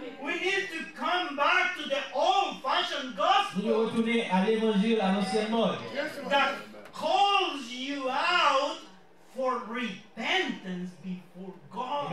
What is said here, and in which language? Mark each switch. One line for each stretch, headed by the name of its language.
English: We need to come back to the old-fashioned gospel.
French: Nous devons retourner à l'évangile à l'ancien mode.
English: That calls you out for repentance before God.